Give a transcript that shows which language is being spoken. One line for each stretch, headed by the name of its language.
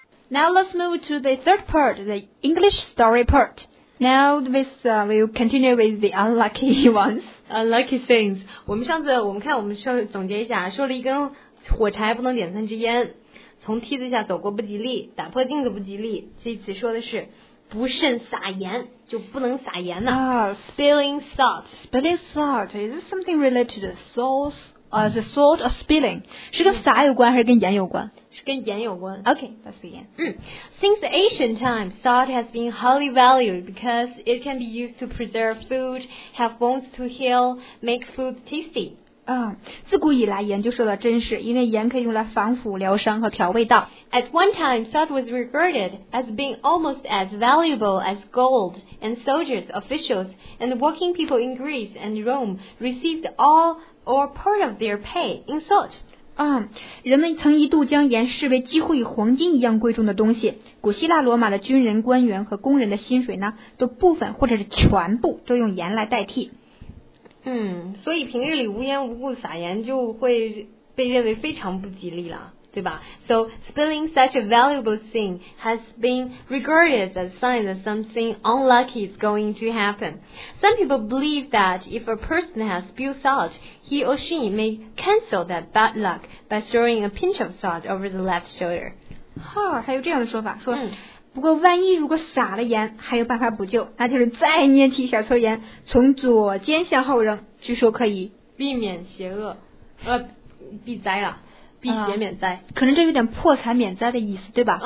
English: Now let's move to the third part, the English story part. Now we'll continue with the unlucky ones. Unlucky things.
Chinese: 我们说总结一下，说了一根火柴不能点三支烟，从梯子下走过不吉利，打破镜子不吉利。这次说的是不慎撒盐，就不能撒盐了。
English: Spilling salt. Spilling salt. Is this something related to salt? The salt or spilling?
Chinese: 是跟撒有关还是跟盐有关？是跟盐有关。
English: Okay, let's begin. Since ancient times, salt has been highly valued because it can be used to preserve food, help wounds to heal, make food tasty.
Chinese: 自古以来盐就受到珍视，因为盐可以用来防腐、疗伤和调味道。
English: At one time, salt was regarded as being almost as valuable as gold, and soldiers, officials, and working people in Greece and Rome received all or part of their pay in salt.
Chinese: 人们曾一度将盐视为几乎与黄金一样贵重的东西。古希腊罗马的军人、官员和工人的薪水呢，都部分或者是全部都用盐来代替。所以平日里无缘无故撒盐就会被认为非常不吉利了。对吧
English: So spilling such a valuable thing has been regarded as a sign that something unlucky is going to happen. Some people believe that if a person has spilled salt, he or she may cancel that bad luck by throwing a pinch of salt over the left shoulder.
Chinese: 哈，还有这样的说法，说不过万一如果撒了盐，还有办法补救，那就是再捏起小撮盐，从左肩向后扔，据说可以避免邪恶，避灾了。避邪免灾、可能这有点破财免灾的意思对吧